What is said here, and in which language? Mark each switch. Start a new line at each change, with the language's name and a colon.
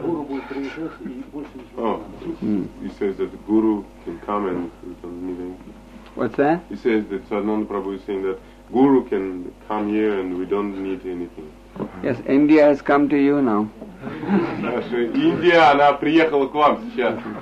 Russian: Гуру будет приезжать, и больше ничего не надо.
English: He says that the guru can come and he doesn't need anything. What's that? He says that Sadananda Prabhu is saying that Guru can come here and we don't need anything. Yes, India has come to you now.
Russian: India, она приехала к вам сейчас.